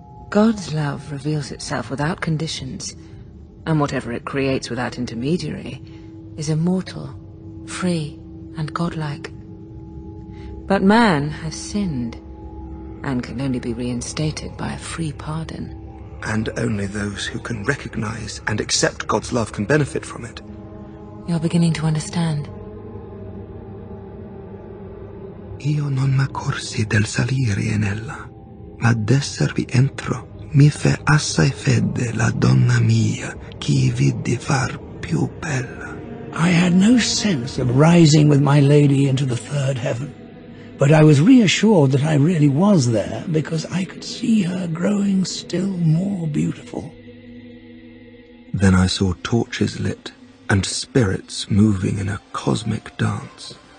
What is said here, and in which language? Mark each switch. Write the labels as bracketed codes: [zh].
[en] God's love reveals itself without conditions, and whatever it creates without intermediary is immortal, free, and godlike. But man has sinned, and can only be reinstated by a free pardon. And only those who can recognize and accept God's love can benefit from it. You're beginning to understand. [it] Io non m'accorsi del salire in ella, ma d'esservi entro mi fe assai fede la donna mia chi vidi far più bella. [en] I had no sense of rising with my lady into the third heaven, but I was reassured that I really was there because I could see her growing still more beautiful. Then I saw torches lit and spirits moving in a cosmic dance.